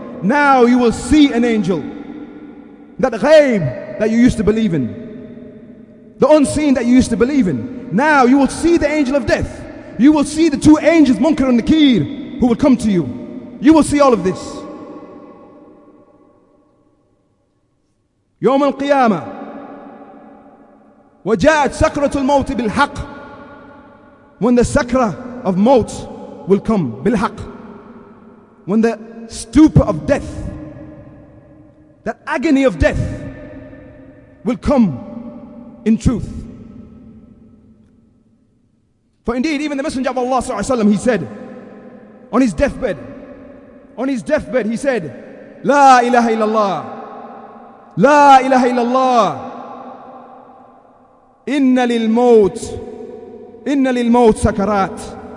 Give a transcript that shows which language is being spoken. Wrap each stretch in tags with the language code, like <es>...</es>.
<en>Now you will see an angel. That ghaib that you used to believe in. The unseen that you used to believe in. Now you will see the angel of death. You will see the two angels, Munkar and Nakir, who will come to you. You will see all of this.</en> <ar>يوم القيامة وجاءت سكرة الموت بالحق.</ar> <en>When the sakra of موت will come بالحق. When the stupor of death, that agony of death will come in truth. For indeed even the Messenger of Allah sallallahu alaihi wasallam, he said on his deathbed, he said</en> <ar>لا إله إلا الله لا إله إلا الله إن للموت سكرات.</ar>